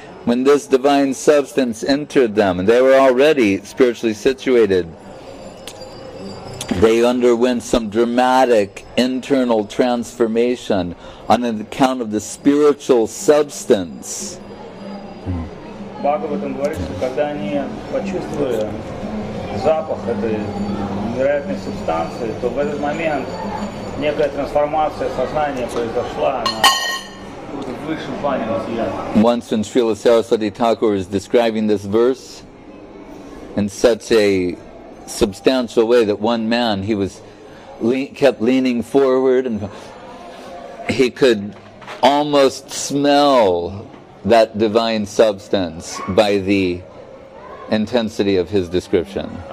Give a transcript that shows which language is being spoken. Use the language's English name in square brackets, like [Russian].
[English] When this divine substance entered them, and they were already spiritually situated, they underwent some dramatic internal transformation on account of the spiritual substance. [Russian] Bhagavatam говорит, что когда они почувствовали запах этой невероятной субстанции, то в этот момент некая трансформация сознания произошла на высшем плане материала. [English] Once when Srila Saraswati Thakur is describing this verse in such a substantial way that one man, he was kept leaning forward and he could almost smell that divine substance by the intensity of his description.